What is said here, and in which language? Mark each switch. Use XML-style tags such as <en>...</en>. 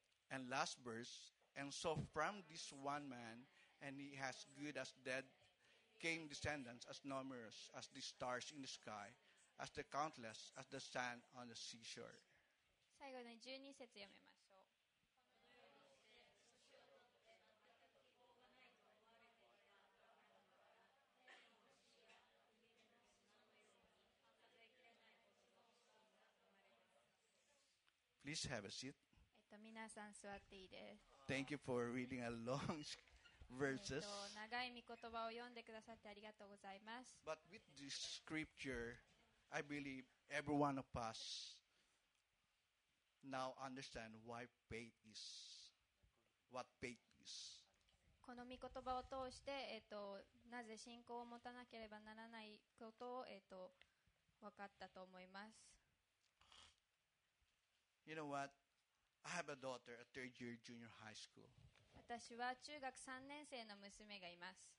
<en>And last verse, and so from this one man, and he as good as dead, came descendants as numerous as the stars in the sky, as the countless as the sand on the seashore.</en> <ja>最後の12節読みましょう。</ja> <en>Please have a seat.</en> <ja>皆さん座っていいです。</ja> <en>Thank you for reading a long verses.</en> <ja>長い御言葉を読んでくださってありがとうございます。</ja> <en>But with this scripture, I believe every one of us now understand why faith is what faith is.</en> <ja>この御言葉を通して、なぜ信仰を持たなければならないことを、分かったと思います。</ja> <en>You know what? I have a daughter, a third year junior high school.</en> <ja>私は中学3年生の娘がいます。</ja>